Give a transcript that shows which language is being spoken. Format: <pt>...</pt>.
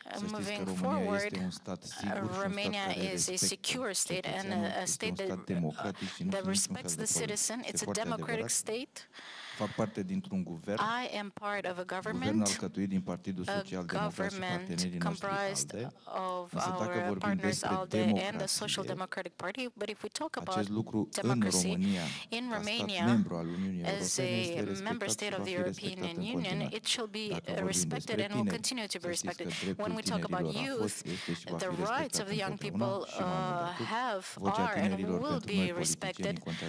<en>Moving forward, Romania is a secure state and a state that respects the citizen. It's a democratic state.</en> <ro>Fac parte dintr-un guvern.</ro> <en>I am part of a government,</en> <ro>alcătuit din Partidul Social Democrat și partenerii noștri ALDE.</ro> <en>Of our partners ALDE and the Social Democratic Party. But if we talk about democracy in Romania, as a member state of the European Union, it shall be respected and will continue to be respected. When we talk about youth, the rights of the young people are and will be respected.</en>